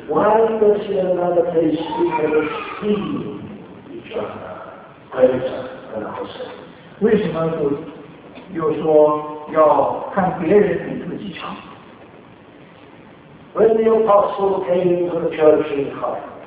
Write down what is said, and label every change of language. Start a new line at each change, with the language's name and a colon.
English: ？Why does he another place speak of esteeming each other greater than ourselves?
Chinese: 为什么就又说要看别人比自己强？
English: When the apostle came to the church in Corinth,